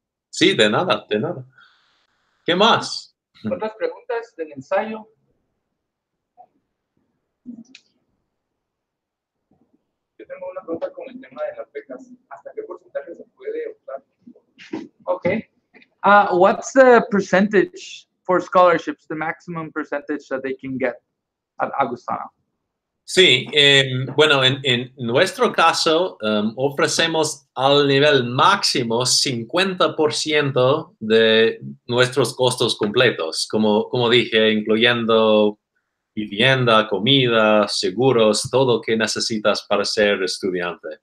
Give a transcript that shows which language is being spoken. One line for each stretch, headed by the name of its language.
Spanish: Sí, de nada, de nada. ¿Qué más? ¿Otras preguntas del ensayo? Yo tengo una pregunta con el tema de las becas. ¿Hasta qué porcentaje se puede optar? Ok.
English: What's the percentage for scholarships, the maximum percentage that they can get at Augustana?
Spanish: Sí, bueno, en nuestro caso ofrecemos al nivel máximo 50% de nuestros costos completos, como dije, incluyendo vivienda, comida, seguros, todo lo que necesitas para ser estudiante.